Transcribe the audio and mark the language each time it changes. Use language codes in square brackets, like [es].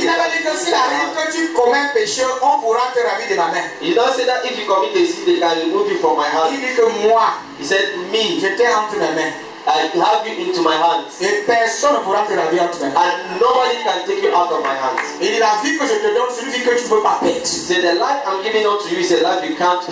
[fr] il n'a pas dit que s'il arrive que tu commets péché, on pourra te ravir de ma main. [en] He does say that if you commit a sin, they can remove you from my hand. [fr] Il dit que moi, [en] he said, me, [fr] j'étais entre mes mains. [en] I have you into my hands. [fr] Et personne ne pourra te laver entre mes mains. [en] And nobody can take you out of my hands. [fr] Et la vie que je te donne, c'est une vie que tu ne peux pas perdre. [en] C'est the life I'm giving unto you is a life you can't lose.